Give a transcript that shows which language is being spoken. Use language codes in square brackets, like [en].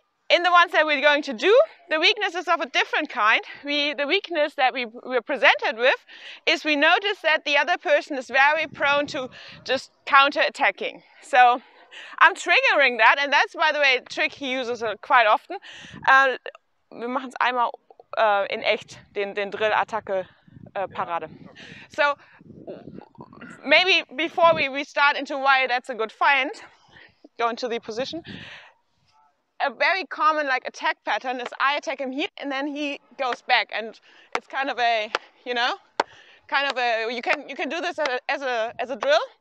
[en] In the ones that we're going to do, the weakness is of a different kind. The weakness that we were presented with is we notice that the other person is very prone to just counter-attacking. So I'm triggering that, and that's, by the way, a trick he uses quite often. [de] Wir machen es einmal in echt, den Drill-Attacke Parade. [en] So maybe before we start into why that's a good find, go into the position. A very common like attack pattern is I attack him here and then he goes back, and it's kind of a, you know, kind of a, you can do this as a drill.